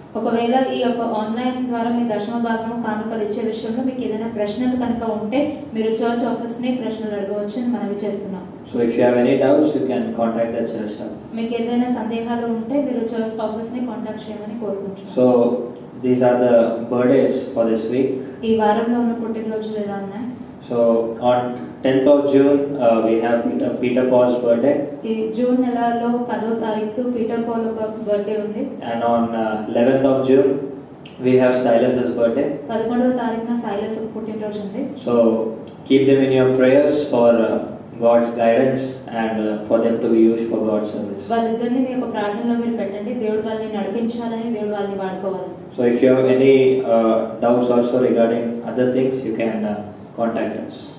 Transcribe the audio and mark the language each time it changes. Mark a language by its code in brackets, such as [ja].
[te] ఒకవేళ ఈ యొక్క ఆన్లైన్ ద్వారా మీ దశమ భాగం కానుకలు ఇచ్చే విషయంలో మీకు ఏదైనా ప్రశ్నలు కనుక ఉంటే మీరు చర్చ్ ఆఫీస్ ని ప్రశ్నలు అడగవచ్చు అని మనవి చేస్తున్నాం. [en] So if you have any doubts you can contact the church. [te] మీకు ఏదైనా సందేహాలు ఉంటే మీరు చర్చ్ ఆఫీస్ ని కాంటాక్ట్ చేయమని కోరుకుంటున్నాం. [en] So these are the birthdays for this week. [te] ఈ వారంలో ఉన్న పుట్టినరోజులు ఎలా ఉన్నాయి? [en] So on 10th of June we have Peter Paul's birthday. [te] ఈ జూన్ నెలలో 10వ తారీఖు పీటర్ పాల్ యొక్క బర్త్డే ఉంది. [en] And on 11th of June we have Silas's birthday. [te] 11వ తారీఖున సైలస్ పుట్టినరోజు ఉంది. [en] So keep them in your prayers for God's guidance and for them to be used for God's service. [te] వాళ్ళిద్దరిని మీ యొక్క ప్రార్థనలో మీరు పెట్టండి, దేవుడు వాళ్ళని నడిపించాలని, దేవుడు వాళ్ళని వాడుకోవాలి. [en] So if you have any doubts also regarding other things you can contact us.